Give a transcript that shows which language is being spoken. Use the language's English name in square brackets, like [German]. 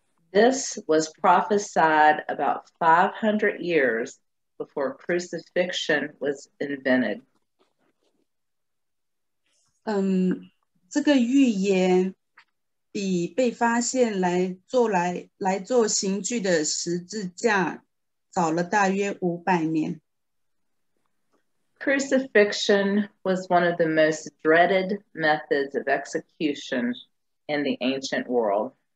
[English] This was prophesied about 500 years before crucifixion was invented. [Chinese] 这个预言比被发现来做刑具的十字架早了大约500年。 [English] Crucifixion was one of the most dreaded methods of execution in the ancient world.